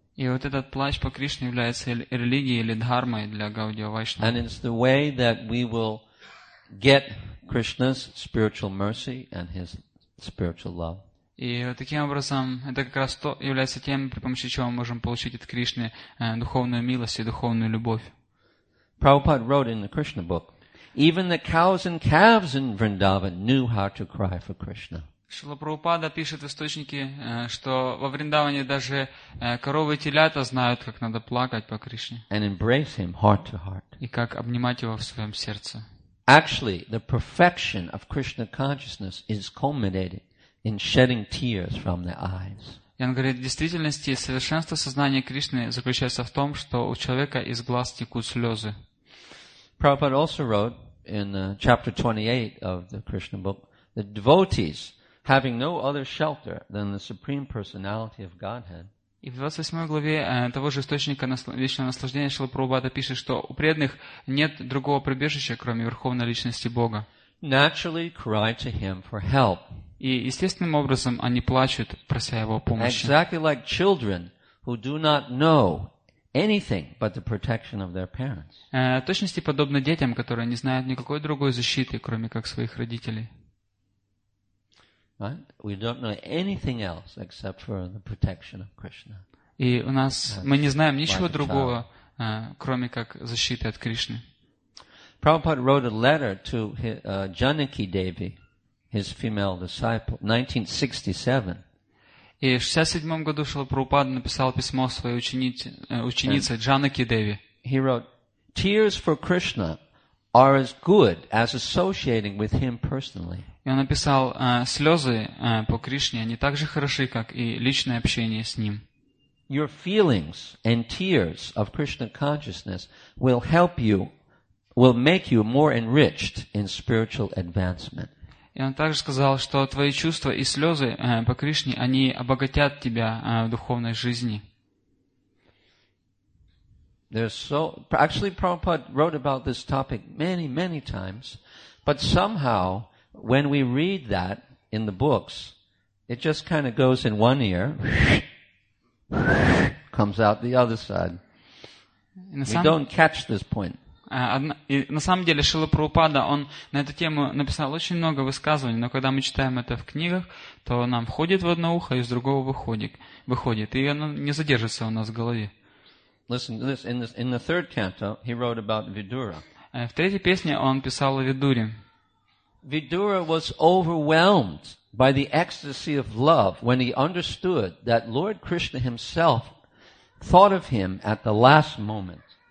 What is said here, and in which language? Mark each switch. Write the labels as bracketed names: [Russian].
[Russian] И вот этот плач по Кришне является религией или дхармой для Гаудия Вайшнава. [English] And it's the way that we will get Krishna's spiritual mercy and his spiritual love. [Russian] И таким образом, это как раз то является тем, при помощи чего мы можем получить от Кришны духовную милость и духовную любовь. [English] Prabhupada wrote in the Krishna book, even the cows and calves in Vrindavan knew how to cry for Krishna. [Russian] Шрила Прабхупада пишет в источнике, что во Вриндаване даже коровы и телята знают, как надо плакать по Кришне. [English] And embrace him heart to heart. [Russian] И как обнимать его в своем сердце. [English] Actually, the perfection of Krishna consciousness is culminated in shedding tears from their eyes. [Russian] И он говорит, в действительности совершенство сознания Кришны заключается в том, что у человека из глаз текут слезы. [English] Prabhupada also wrote in chapter 28 of the Krishna book that devotees, having no other shelter than the Supreme Personality of Godhead. [Russian] И в 28 главе того же источника вечного наслаждения Шрила Прабхупада пишет, что у преданных нет другого прибежища, кроме Верховной Личности Бога. [English] Naturally cry to him for help. [Russian] И естественным образом они плачут, прося его о помощи. [English] Exactly like children who do not know anything but the protection of their parents. [Russian] В точности подобно детям, которые не знают никакой другой защиты, кроме как своих родителей. [English] Right? We don't know anything else except for the protection of Krishna. [Russian] И у нас мы не знаем ничего другого, кроме как защиты от Кришны. [English] Prabhupada wrote a letter to Janaki Devi, his female disciple, 1967. [Russian] И в 67 году Шрила Прабхупада написал письмо своей ученице Джанаки Деви. [English] He wrote, "Tears for Krishna are as good as associating with him personally." [Russian] И он написал, слезы по Кришне, они так же хороши, как и личное общение с Ним. [English] Your feelings and tears of Krishna consciousness will help you, will make you more enriched in spiritual advancement. [Russian] И он также сказал, что твои чувства и слезы по Кришне, они обогатят тебя в духовной жизни. [English] Actually, Prabhupada wrote about this topic many, many times, but somehow, when we read that in the books, it just kind of goes in one ear, comes out the other side. We don't catch this point. [Russian] На самом деле, Шрила Прабхупада, он на эту тему написал очень много высказываний, но когда мы читаем это в книгах, то нам входит в одно ухо, и из другого выходит, и оно не задержится у нас в голове. [English] Listen to this. In the third canto, he wrote about Vidura. [Russian] В третьей песне он писал о Видуре. [English] Vidura was overwhelmed by the ecstasy of love when he understood that Lord Krishna himself thought of him at the last moment.